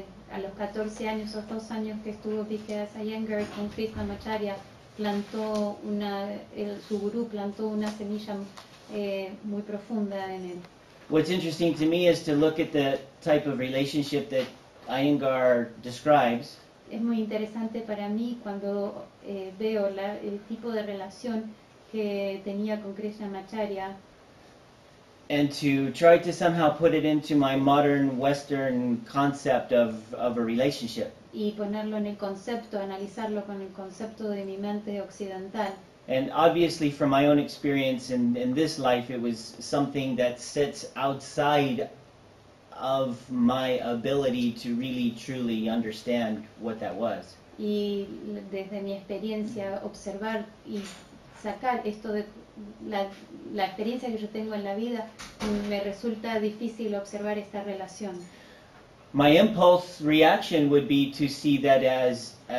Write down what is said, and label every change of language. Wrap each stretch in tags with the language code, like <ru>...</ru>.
<es>A los 14 años o 2 años que estuvo BKS Iyengar con Krishnamacharya, su gurú plantó una semilla muy profunda en él.</es> <en>What's interesting to me is to look at the type of relationship that Iyengar describes.</en> <es>Es muy interesante para mí cuando veo el tipo de relación que tenía con Krishnamacharya.</es> <en>And to try to somehow put it into my modern Western concept of a relationship.</en> <es>Y ponerlo en el concepto, analizarlo con el concepto de mi mente occidental.</es> <en>And obviously from my own experience in this life, it was something that sits outside of my ability to really truly understand what that was.</en> <es>Y desde mi experiencia observar y sacar esto de la experiencia que yo tengo en la vida, me resulta difícil observar esta relación.</es> <en>My impulse reaction would be to see that as</en>